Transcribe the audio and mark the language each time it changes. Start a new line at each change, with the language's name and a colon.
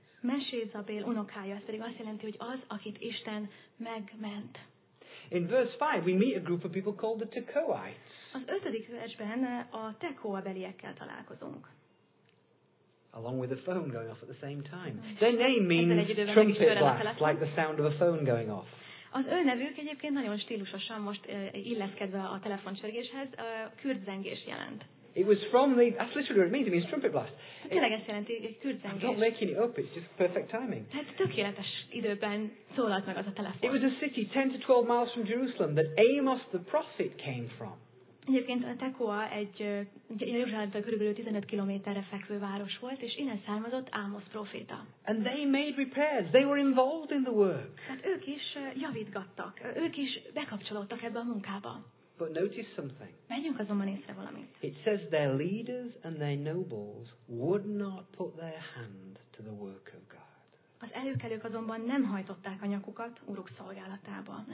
Hungarian: Meshezabel unokája, ez pedig azt jelenti, hogy az, akit Isten megment.
English: In verse 5 we meet a group of people called the Tekoites.
Hungarian: Az ötödik versben a Tekoa beliekkel találkozunk.
English: Along with a phone going off at the same time. Their name means trumpet blast, like the sound of a phone going off.
Hungarian: Az ő nevük egyébként nagyon stílusosan most illeszkedve a telefoncsörgéshez, kürtzengés jelent.
English: It was from the, that's literally what it means trumpet blast.
Hungarian: Tényleg ezt jelenti, kürtzengés.
English: I'm not making it up, it's just perfect timing.
Hungarian: Tehát tökéletes időben szólalt meg az a telefon.
English: It was a city 10 to 12 miles from Jerusalem that Amos the prophet came from.
Hungarian: Egyébként a Tekoa egy Jeruzsálemtől körülbelül 15 kilométerre fekvő város volt, és innen származott Ámosz proféta.
English: And they made repairs. They were involved in the work.
Hungarian: Hát ők is javítgattak. Ők is bekapcsolódtak ebbe a munkába.
English: But notice something.
Hungarian: Menjünk azonban észre valamit.
English: It says their leaders and their nobles would not put their hand to the work of God.
Hungarian: Az előkelők azonban nem hajtották a nyakukat uruk szolgálatába.